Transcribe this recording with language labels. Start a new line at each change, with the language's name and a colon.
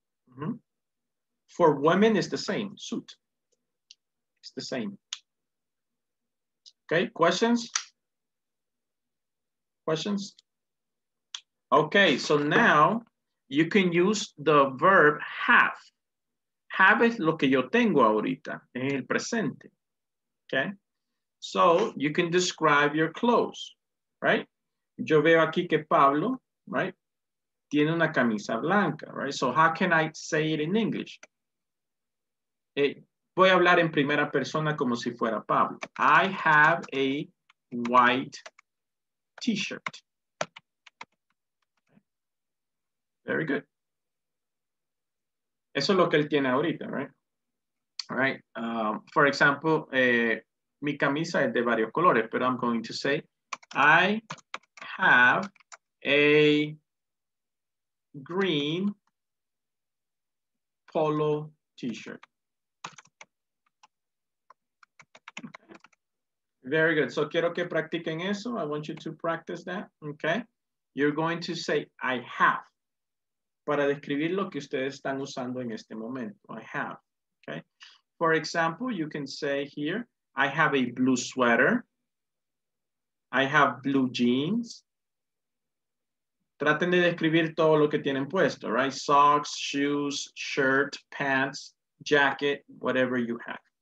English: Mm-hmm. For women, it's the same, suit. It's the same. Okay, questions? Questions? Okay, so now you can use the verb have.
Spanish: Have es lo que yo tengo ahorita, en el presente.
English: Okay, so you can describe your clothes, right?
Spanish: Yo veo aquí que Pablo, right, tiene una camisa blanca, right?
English: So how can I say it in English?
Spanish: Voy a hablar en primera persona como si fuera Pablo.
English: I have a white t-shirt. Very good.
Spanish: Eso es lo que él tiene ahorita, right?
English: All right. For example,
Spanish: mi camisa es de varios colores, pero
English: I'm going to say I have a green polo t-shirt. Very good. So
Spanish: quiero que practiquen eso.
English: I want you to practice that. Okay. You're going to say, I have,
Spanish: para describir lo que ustedes están usando en este momento.
English: I have. Okay. For example, you can say here, I have a blue sweater. I have blue jeans.
Spanish: Traten de describir todo lo que tienen puesto, right?
English: Socks, shoes, shirt, pants, jacket, whatever you have.